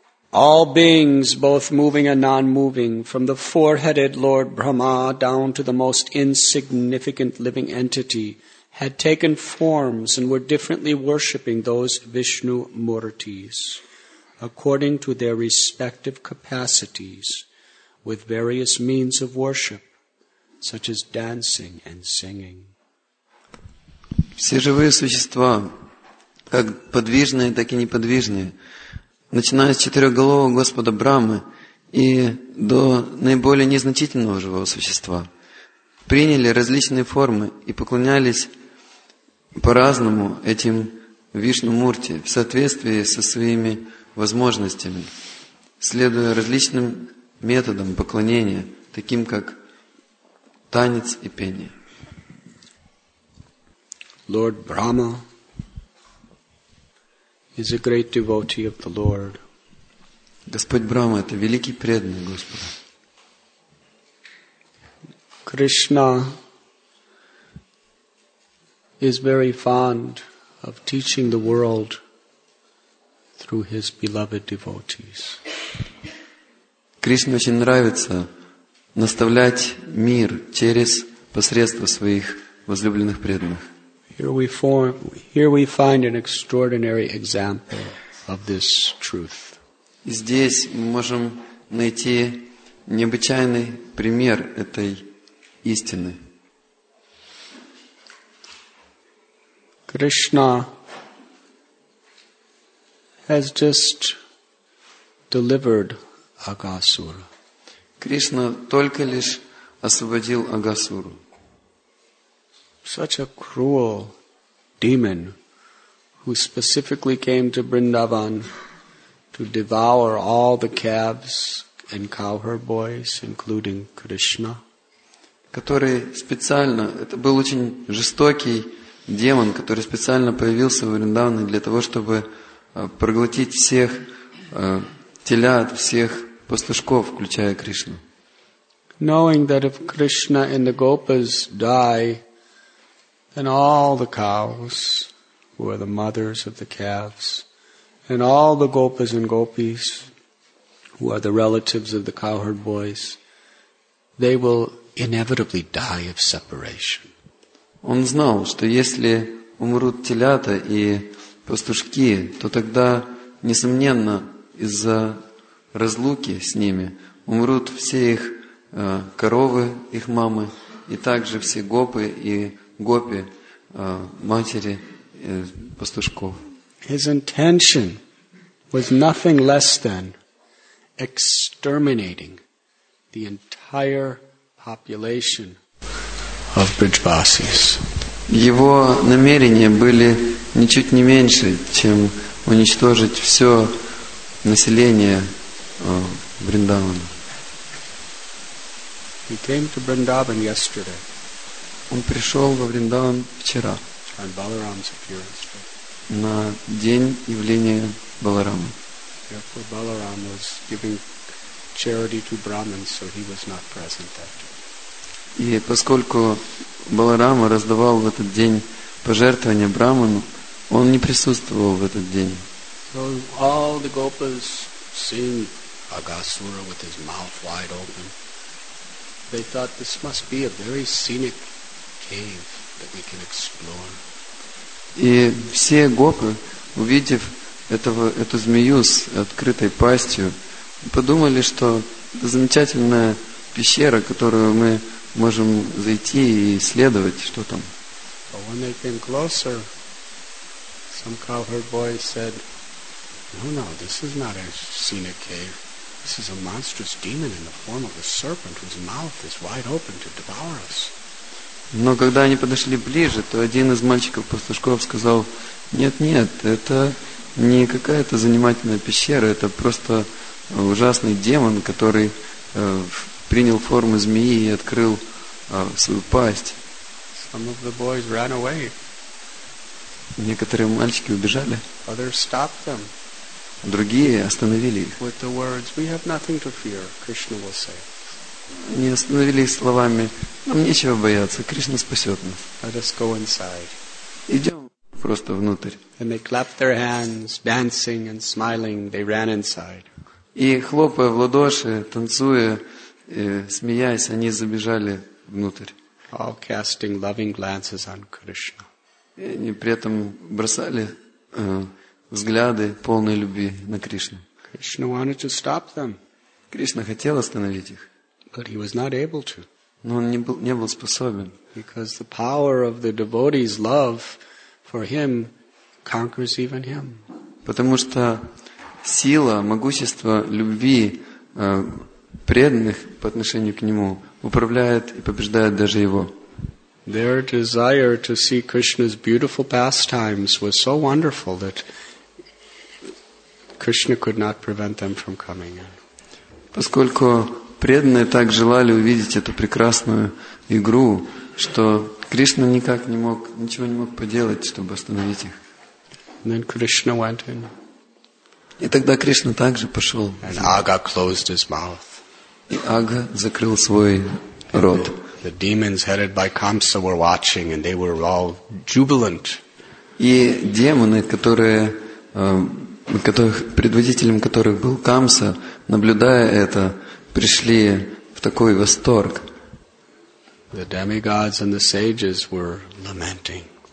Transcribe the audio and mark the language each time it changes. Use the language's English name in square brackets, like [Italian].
[English] All beings, both moving and non-moving, from the four-headed Lord Brahma down to the most insignificant living entity, had taken forms and were differently worshipping those Vishnu Murtis, according to their respective capacities, with various means of worship, such as dancing and singing. [Russian] Все живые существа, как подвижные, так и неподвижные, начиная с четырехголового Господа Брамы и до наиболее незначительного живого существа, приняли различные формы и поклонялись по-разному этим Вишну-мурти в соответствии со своими возможностями, следуя различным методам поклонения, таким как танец и пение. [English] Lord Brahma is a great devotee of the Lord. [Russian] Господь Брама – это великий преданный Господа. [English] Krishna is very fond of teaching the world through his beloved devotees. [Russian] Кришне очень нравится наставлять мир через посредство своих возлюбленных преданных. [English] Here we find an extraordinary example of this truth. [Russian] Здесь мы можем найти необычайный пример этой истины. [English] Krishna has just delivered Агасуру. [Russian] Кришна только лишь освободил Агасуру. [English] Such a cruel demon who specifically came to Vrindavan to devour all the calves and cowherd boys, including Krishna. [Russian] Который специально, это был очень жестокий демон, который специально появился в Вриндаване для того, чтобы проглотить всех телят, всех пастушков, включая Кришну. [English] Knowing that if Krishna and the Gopas die, and all the cows, who are the mothers of the calves, and all the gopas and gopis, who are the relatives of the cowherd boys, they will inevitably die of separation. [Russian] Он знал, что если умрут телята и пастушки, то тогда, несомненно, из-за разлуки с ними умрут все их коровы, их мамы, и также все гопы и гопи, матери пастушков. [English] His intention was nothing less than exterminating the entire population of Brijbasis. [Russian] Его намерения были ничуть не меньше, чем уничтожить все население Бриндавана. [English] He came to Vrindavan yesterday. [Russian] Он пришел во Вриндаван вчера. [English] On Balaram's appearance. [Russian] На день явления Баларамы. [English] Therefore, Balaram was giving charity to Brahmins, so he was not present that day. [Russian] И поскольку Баларама раздавал в этот день пожертвования Брахману, он не присутствовал в этот день. [English] So all the gopas seeing Agasura with his mouth wide open, they thought this must be a very scenic cave that we can explore. [Russian] И все гопы, увидев эту змею с открытой пастью, подумали, что это замечательная пещера, которую мы можем зайти и исследовать, что там. [English] But when they came closer, some cowherd boy said, no, this is not a scenic cave. This is a monstrous demon in the form of a serpent whose mouth is wide open to devour us. [Russian] Но когда они подошли ближе, то один из мальчиков-пастушков сказал, нет, это не какая-то занимательная пещера, это просто ужасный демон, который принял форму змеи и открыл свою пасть. [English] Some of the boys ran away. [Russian] Некоторые мальчики убежали. [English] Others stopped them. [Russian] Другие остановили их. [English] With the words, "We have nothing to fear," Krishna will say. [Russian] Они остановились словами, нам нечего бояться, Кришна спасет нас. [English] Let us go inside. [Russian] Идем просто внутрь. [English] And they clapped their hands, dancing and smiling, they ran inside. [Russian] И хлопая в ладоши, танцуя, смеясь, они забежали внутрь. [English] All casting loving glances on Krishna. [Russian] И они при этом бросали взгляды полной любви на Кришну. [English] Krishna wanted to stop them. [Russian] Кришна хотел остановить их. [English] But he was not able to. [Russian] Но он не был способен. [English] Because the power of the devotee's love for him conquers even him. [Russian] Потому что сила, могущество любви преданных по отношению к нему управляет и побеждает даже его. [English] Their desire to see Krishna's beautiful pastimes was so wonderful that Krishna could not prevent them from coming in. [Russian] Поскольку преданные так желали увидеть эту прекрасную игру, что Кришна никак не мог, ничего не мог поделать, чтобы остановить их. [English] And then Krishna went in. [Russian] И тогда Кришна также пошел. [English] And Aga closed his mouth. [Russian] И Ага закрыл свой рот. [English] The demons headed by Kamsa were watching, and they were all jubilant. [Russian] И демоны, которые, которых, предводителем которых был Камса, наблюдая это, пришли в такой восторг. [English] The demigods and the sages were lamenting.